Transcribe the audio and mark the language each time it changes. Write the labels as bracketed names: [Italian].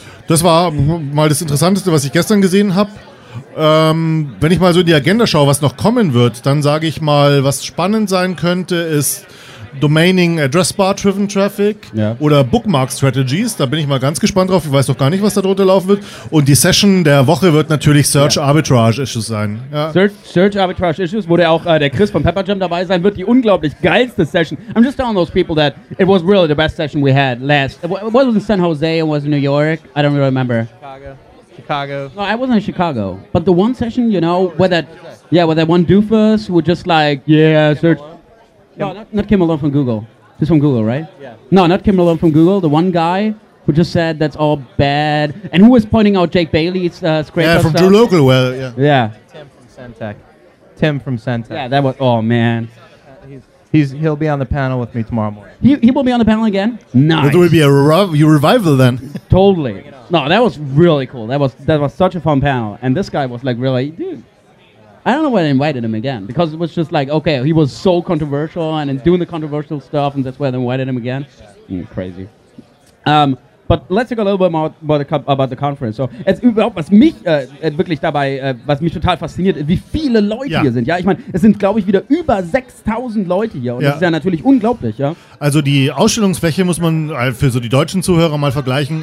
[German] Das war mal das Interessanteste, was ich gestern gesehen habe. Wenn ich mal so in die Agenda schaue, was noch kommen wird, dann sage ich mal, was spannend sein könnte, ist Domaining Address Bar Driven Traffic oder Bookmark Strategies, da bin ich mal ganz gespannt drauf. Ich weiß doch gar nicht, was da drunter laufen wird. Und die Session der Woche wird natürlich Search Arbitrage Issues sein. Ja. Search Arbitrage Issues, wo der auch der Chris von Pepper Jam dabei sein wird, die unglaublich geilste Session. [English] I'm just telling those people that it was really the best session we had last. It was in San Jose, it was in New York. I don't really remember. Chicago. No, I wasn't in Chicago. But the one session, you know, where that one doofus would just like, search. No, not Kim Malone from Google. He's from Google, right? Yeah. No, not Kim Malone from Google. The one guy who just said that's all bad. And who was pointing out Jake Bailey's scraper from stuff? Drew Local, well, yeah. Tim from Centec. Yeah, that was, oh, man. He'll be on the panel with me tomorrow morning. He will be on the panel again? Nice. There will be a revival then. Totally. No, that was really cool. That was such a fun panel. And this guy was like, really, dude. I don't know why I invited him again, because it was just like, okay, he was so controversial and doing the controversial stuff, and that's why I invited him again. Crazy. But let's talk a little bit more about the conference. [German] So, was mich total fasziniert, wie viele Leute hier sind. Ja, ich meine, es sind, glaube ich, wieder über 6.000 Leute hier. Und das ist ja natürlich unglaublich. Ja. Also die Ausstellungsfläche muss man für so die deutschen Zuhörer mal vergleichen.